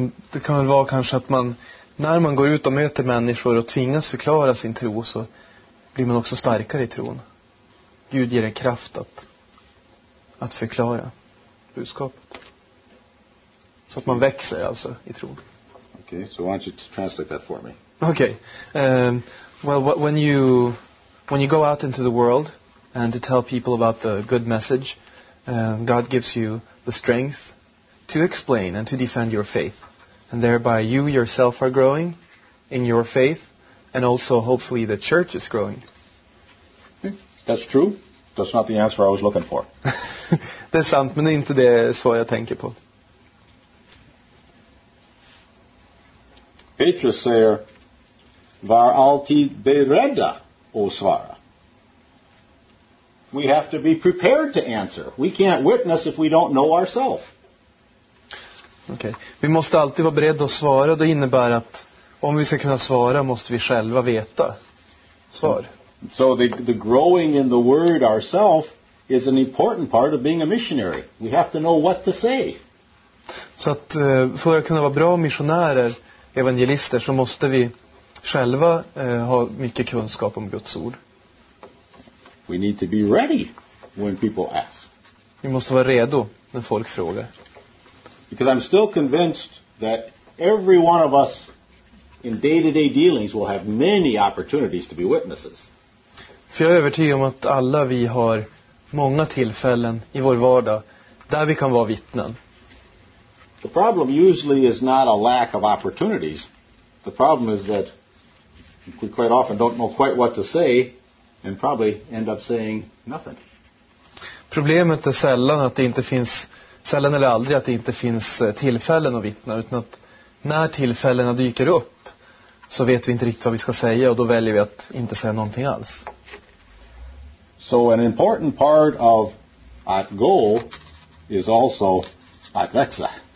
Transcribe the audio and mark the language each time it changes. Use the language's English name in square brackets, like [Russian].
[Swedish] Det kan väl vara kanske att man, när man går ut och möter människor och tvingas förklara sin tro, så blir man också starkare i tron. Gud ger en kraft att förklara budskapet. Så att man växer alltså i tron. [English] Okay, so why don't you translate that for me? Okay. When you go out into the world and to tell people about the good message, God gives you the strength to explain and to defend your faith. And thereby you yourself are growing in your faith, and also hopefully the church is growing. That's true. That's not the answer I was looking for. [Swedish] Det är sant, men det är inte det svar jag tänker på. Petrus säger, var alltid beredda att svara. [English] We have to be prepared to answer. We can't witness if we don't know ourselves. [Swedish] Okej. Vi måste alltid vara beredda att svara. Det innebär att om vi ska kunna svara måste vi själva veta svar. [English] So the growing in the word ourselves is an important part of being a missionary. We have to know what to say. [Swedish] Så att för att kunna vara bra missionärer, evangelister, så måste vi själva ha mycket kunskap om Guds ord. [English] We need to be ready when people ask. [Swedish] Vi måste vara redo när folk frågar. [English] Because I'm still convinced that every one of us in day-to-day dealings will have many opportunities to be witnesses. [Swedish] För jag är övertygad om att alla vi har många tillfällen i vår vardag där vi kan vara vittnen. [English] The problem usually is not a lack of opportunities. The problem is that we quite often don't know quite what to say and probably end up saying nothing. [Swedish] Problemet är sällan att det inte finns, sällan eller aldrig att det inte finns tillfällen att vittna, utan att när tillfällena dyker upp så vet vi inte riktigt vad vi ska säga, och då väljer vi att inte säga någonting alls. [English] So an important part of [Swedish] att gå [English] is also [Swedish] att växa.